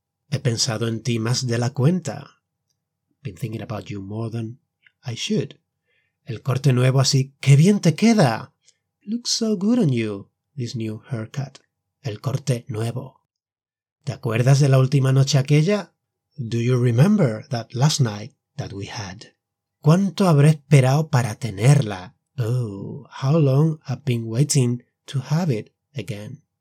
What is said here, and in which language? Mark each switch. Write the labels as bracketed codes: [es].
[es] He pensado en ti más de la cuenta. [en] Been thinking about you more than I should. [es] El corte nuevo así, ¡qué bien te queda! [en] Looks so good on you, this new haircut. [es] El corte nuevo. ¿Te acuerdas de la última noche aquella? [en] Do you remember that last night that we had? [es] ¿Cuánto habré esperado para tenerla? [en] Oh, how long I've been waiting to have it again.